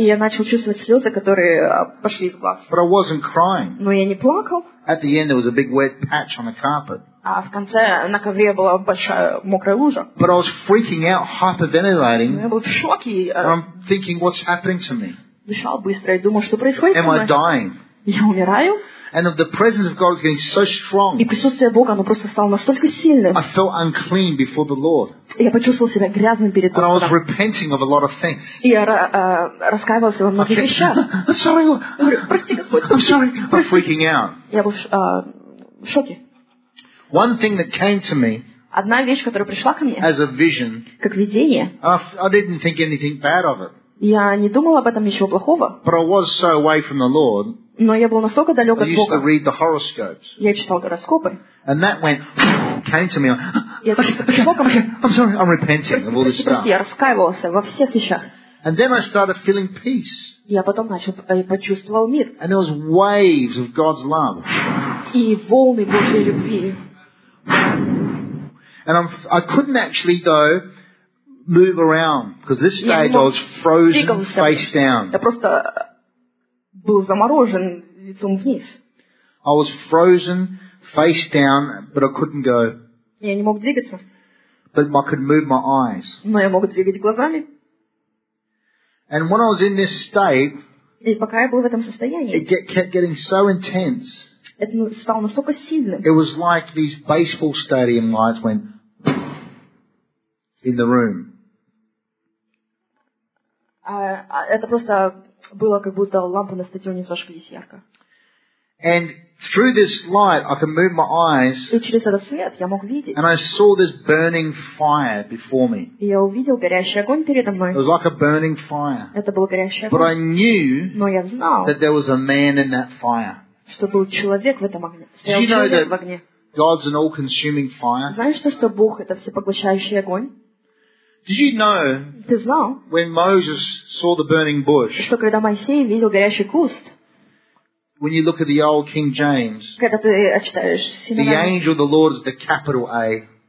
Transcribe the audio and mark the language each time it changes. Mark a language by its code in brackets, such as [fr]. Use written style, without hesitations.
[ru] И я начал чувствовать слезы, которые пошли из глаз. [en] But I wasn't crying. [ru] Но я не плакал. [en] At the end there was a big wet patch on the carpet. [ru] А в конце на ковре была большая мокрая лужа. [en] But I was freaking out, hyperventilating. [ru] Я был в шоке. [en] And I'm thinking, what's happening to me? [ru] Дышал быстро и думал, что происходит. [en] Am I dying? [ru] Я умираю. [en] And the presence of God is getting so strong. [ru] И присутствие Бога, оно просто стало настолько сильным. [en] I felt unclean before the Lord. [ru] Я почувствовал себя грязным перед Богом. [en] And I was repenting of a lot of things. [ru] И я раскаивался во многих вещах. [en] Sorry, [ru] прости, Господь. [en] I'm sorry. I'm freaking out. [ru] Я был в шоке. [en] One thing that came to me, [ru] одна вещь, которая пришла ко мне, [en] as a vision, [ru] как видение, [en] I didn't think anything bad of it. [ru] Я не думал об этом ничего плохого. [en] But I was so away from the Lord. [ru] Но я был настолько далек от Бога. [en] I used to read the horoscopes. [ru] Я читал гороскопы. [en] And that went came to me. I'm sorry, I'm repenting of all this stuff. [ru] Я раскаивался во всех вещах. [en] And then I started feeling peace. [ru] Я потом начал почувствовал мир. [en] And there was waves of God's love. [ru] И волны Божьей любви. [en] And I couldn't actually, though, move around, because this stage I was frozen face down. [ru] Я просто был заморожен лицом вниз. [en] I was frozen face down, but I couldn't go. [ru] Я не мог двигаться. [en] But I could move my eyes. [ru] Но я мог двигать глазами. [en] And when I was in this state, [ru] и пока я был в этом состоянии, [en] it kept getting so intense. [ru] Это стало настолько сильным. [en] It was like these baseball stadium lights went in the room. [ru] Это просто было, как будто лампы на стадионе зажглись ярко. [en] And through this light, I could move my eyes. [ru] И через этот свет я мог видеть. [en] And I saw this burning fire before me. [ru] И я увидел горящий огонь передо мной. [en] It was like a burning fire. [ru] Это был горящий огонь. [en] But I knew. [ru] Но я знал. [en] That there was a man in that fire. [ru] Что был человек в этом огне. Стоял человек в огне. [en] God's an all-consuming fire. [ru] Знаешь, что Бог — это всепоглощающий огонь? [en] Did you know? [ru] Ты знал? [en] When Moses saw the burning bush. [ru] Что когда Моисей видел горящий куст? [en] When you look at the old King James, the angel of the Lord is the capital A.